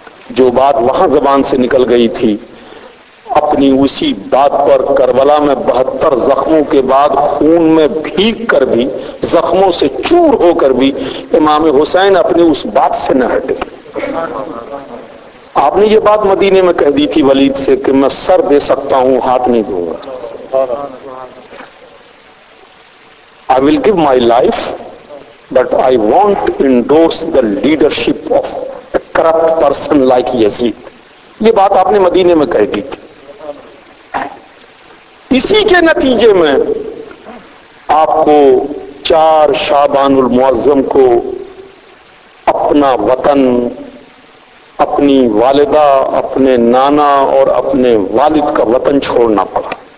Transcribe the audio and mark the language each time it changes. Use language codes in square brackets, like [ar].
[ur] جو بات وہاں زبان سے نکل گئی تھی، اپنی اسی بات پر کربلا میں 72 زخموں کے بعد خون میں بھیگ کر بھی، زخموں سے چور ہو کر بھی، امام حسین اپنی اس بات سے نہ ہٹے. آپ نے یہ بات مدینے میں کہہ دی تھی ولید سے کہ میں سر دے سکتا ہوں، ہاتھ نہیں دوں گا. [en] I will give my life but I won't endorse the leadership of a corrupt person like Yazid. [ur] یہ بات آپ نے مدینے میں کہہ دی تھی. اسی کے نتیجے میں آپ کو 4 شعبان المعظم کو اپنا وطن، اپنی والدہ، اپنے نانا اور اپنے والد کا وطن چھوڑنا پڑا.